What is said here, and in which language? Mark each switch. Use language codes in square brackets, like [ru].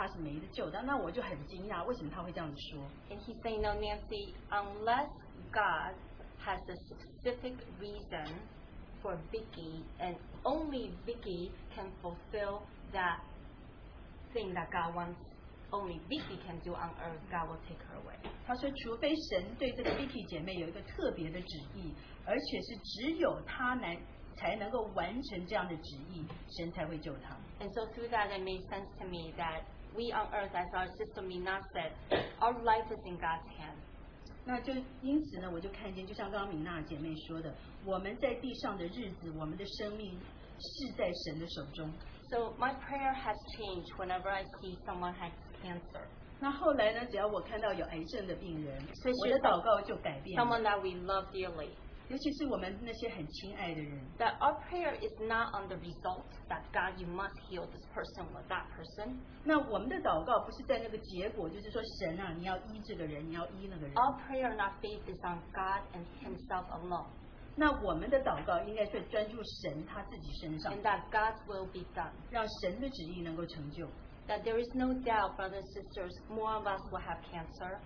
[zh] 那这个弟兄就跟我说，我觉得他是没得救的。那我就很惊讶，为什么他会这样子说 [en] ？And he said, "No, Nancy, unless God has a specific reason for Vicky, and only Vicky can fulfill that." Thing that God wants only Vicky can do on earth, God will take her away. [zh] 他说，除非神对这个 Vicky 姐妹有一个特别的旨意，而且是只有她才能够完成这样的旨意，神才会救她。 [en] And so through that, it made sense to me that we on earth, as our sister Mina said, our life is in God's hands. [zh] 那就因此呢，我就看见，就像刚刚米娜姐妹说的，我们在地上的日子，我们的生命是在神的手中。 [en] So my prayer has changed whenever I see someone has cancer. [zh] 那后来呢, 只要我看到有癌症的病人, 我的祷告就改变了, [en] someone that we love dearly. [zh] 尤其是我们那些很亲爱的人, [en] that our prayer is not on the result that God, you must heal this person or that person. [zh] 那我们的祷告不是在那个结果, 就是说神啊, 你要医这个人, 你要医那个人。 [en] Our prayer and our faith is on God and Himself alone. [zh] 那我们的祷告应该是专注神他自己身上, [en] and that God's will be done. [zh] 让神的旨意能够成就。 [en] That there is no doubt, brothers and sisters, more of us will have cancer.